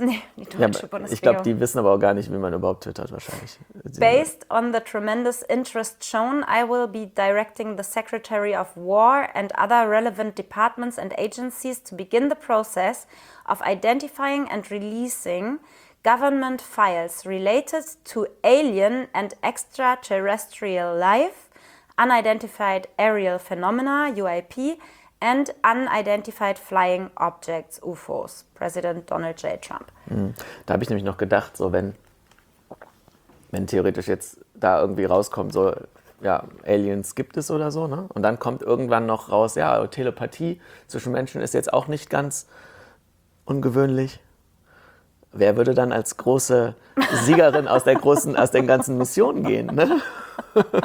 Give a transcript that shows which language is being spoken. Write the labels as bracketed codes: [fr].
[de] Nee, die deutsche Bundesregierung. Ich glaube, die wissen aber auch gar nicht, wie man überhaupt twittert wahrscheinlich. [en] Based on the tremendous interest shown, I will be directing the Secretary of War and other relevant departments and agencies to begin the process of identifying and releasing government files related to alien and extraterrestrial life, unidentified aerial phenomena, UAP, and unidentified flying objects, UFOs, President Donald J. Trump. [de] Da habe ich nämlich noch gedacht, so wenn theoretisch jetzt da irgendwie rauskommt, so, ja, Aliens gibt es oder so, ne? Und dann kommt irgendwann noch raus, ja, Telepathie zwischen Menschen ist jetzt auch nicht ganz ungewöhnlich. Wer würde dann als große Siegerin aus den ganzen Missionen gehen, ne? Ja.